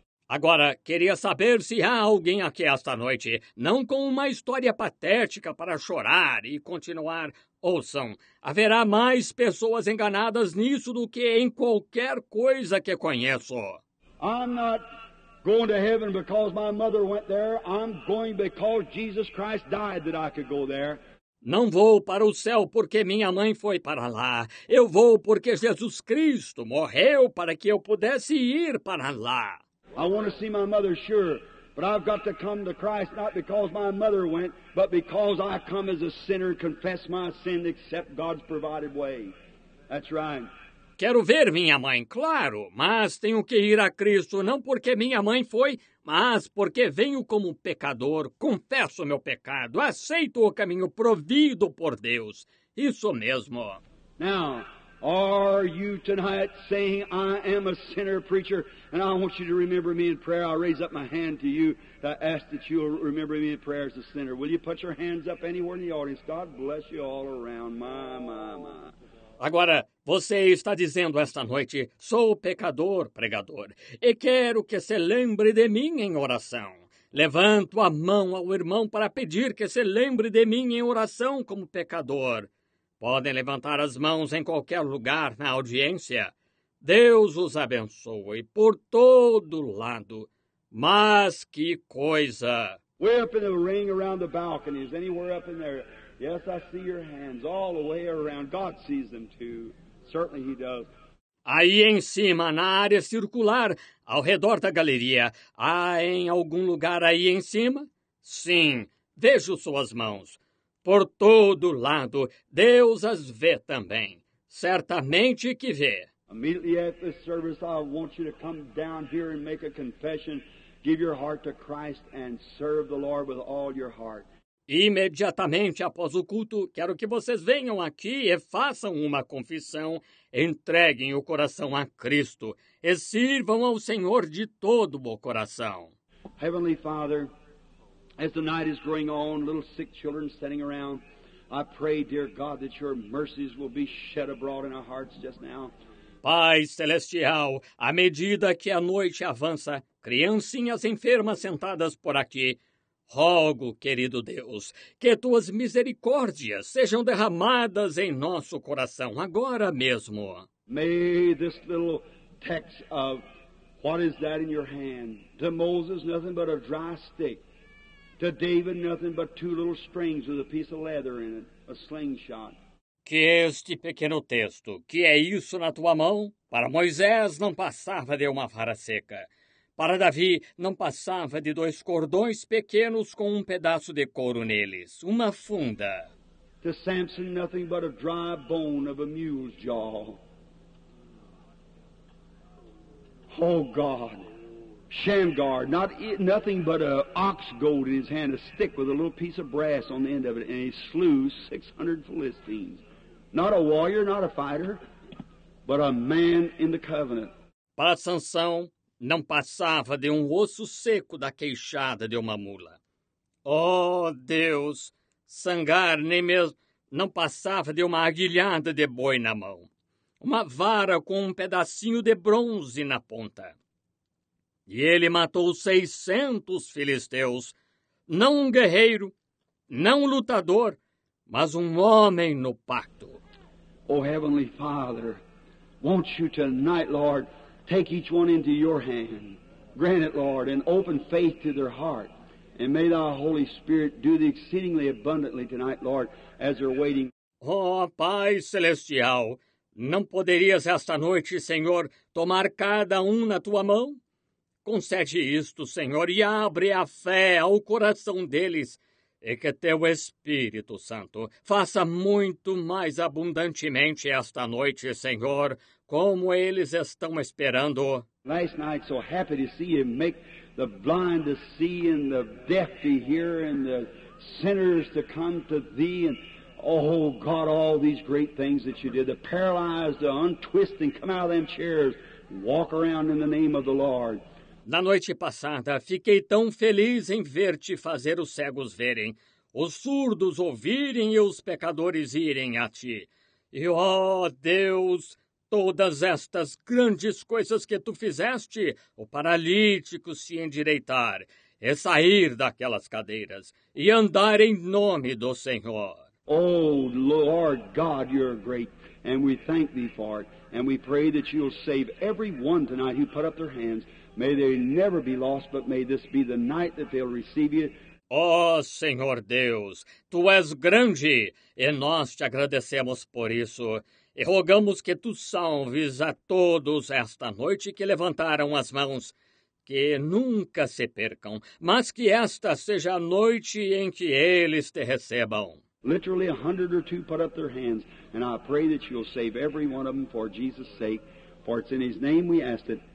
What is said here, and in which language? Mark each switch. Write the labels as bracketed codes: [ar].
[pt] Agora, queria saber se há alguém aqui esta noite, não com uma história patética para chorar e continuar. Ouçam, haverá mais pessoas enganadas nisso do que em qualquer coisa que conheço. [en] I'm not going to heaven because my mother went there. I'm going because Jesus Christ died that I could go there. [pt] Não vou para o céu porque minha mãe foi para lá. Eu vou porque Jesus Cristo morreu para que eu pudesse ir para lá. [en] I want to see my mother, sure, but I've got to come to Christ not because my mother went, but because I come as a sinner, confess my sin, accept God's provided way. That's right. [pt] Quero ver minha mãe, claro, mas tenho que ir a Cristo não porque minha mãe foi, mas porque venho como pecador, confesso meu pecado, aceito o caminho provido por Deus. Isso mesmo. [en] Now, are you tonight saying I am a sinner, preacher, and I want you to remember me in prayer? I raise up my hand to you to ask that you'll remember me in prayer as a sinner. Will you put your hands up anywhere in the audience? God bless you all around. My. [pt] Agora, você está dizendo esta noite, sou pecador, pregador, e quero que se lembre de mim em oração. Levanto a mão ao irmão para pedir que se lembre de mim em oração como pecador. Podem levantar as mãos em qualquer lugar na audiência. Deus os abençoe por todo lado. Mas que coisa! [en] Way up in the ring around the balconies, anywhere up in there. Yes, I see your hands all the way around. God sees them too. Certainly he does. [pt] Aí em cima, na área circular, ao redor da galeria. Há em algum lugar aí em cima? Sim, vejo suas mãos. Por todo lado, Deus as vê também. Certamente que vê. [en] Immediately after this service, I want you to come down here and make a confession. Give your heart to Christ and serve the Lord with all your heart. [pt] Imediatamente após o culto, quero que vocês venham aqui e façam uma confissão. Entreguem o coração a Cristo e sirvam ao Senhor de todo o coração. [en] Heavenly Father, as the night is growing on, little sick children standing around, I pray, dear God, that your mercies will be shed abroad in our hearts just now. [pt] Pai Celestial, à medida que a noite avança, criancinhas enfermas sentadas por aqui, rogo, querido Deus, que tuas misericórdias sejam derramadas em nosso coração agora mesmo. [en] May this little text of what is that in your hand? To Moses, nothing but a dry stick. To David, nothing but two little strings with a piece of leather in it, a slingshot. [pt] Que este pequeno texto, que é isso na tua mão? Para Moisés não passava de uma vara seca. Para Davi não passava de dois cordões pequenos com um pedaço de couro neles, uma funda. [en] To Samson, nothing but a dry bone of a mule's jaw. Oh God. Shamgar, nothing but an ox goad in his hand, a stick with a little piece of brass on the end of it, and he slew 600 Philistines. Not a warrior, not a fighter, but a man in the covenant. [pt] Para Sansão, não passava de um osso seco da queixada de uma mula. Oh, Deus! Sangar nem mesmo não passava de uma aguilhada de boi na mão. Uma vara com um pedacinho de bronze na ponta. E ele matou 600 filisteus, não um guerreiro, não um lutador, mas um homem no pacto. [en] Oh, Heavenly Father, won't you tonight, Lord, take each one into your hand, grant it, Lord, and open faith to their heart, and may thy Holy Spirit do the exceedingly abundantly tonight, Lord, as they're waiting. [pt] Oh, Pai Celestial, não poderias esta noite, Senhor, tomar cada um na tua mão? Concede isto, Senhor, e abre a fé ao coração deles, e que teu Espírito Santo faça muito mais abundantemente esta noite, Senhor, como eles estão esperando. [en] Last night, so happy to see you, make the blind to see, and the deaf to hear, and the sinners to come to thee, and oh God, all these great things that you did, the paralyzed, the untwisting, come out of them chairs, walk around in the name of the Lord. [pt] Na noite passada, fiquei tão feliz em ver-te fazer os cegos verem, os surdos ouvirem e os pecadores irem a ti. E, ó Deus, todas estas grandes coisas que tu fizeste, o paralítico se endireitar e sair daquelas cadeiras e andar em nome do Senhor. [en] Oh, Lord God, you're great, and we thank thee for it, and we pray that you'll save every one tonight who put up their hands. May they never be lost, but may this be the night that they'll receive you. [pt] Oh, Senhor Deus, tu és grande, e nós te agradecemos por isso, e rogamos que tu salves a todos esta noite que levantaram as mãos, que nunca se percam, mas que esta seja a noite em que eles te recebam. [en] Literally 100 or 2 put up their hands, and I pray that you'll save every one of them for Jesus' sake, for it's in his name we ask it.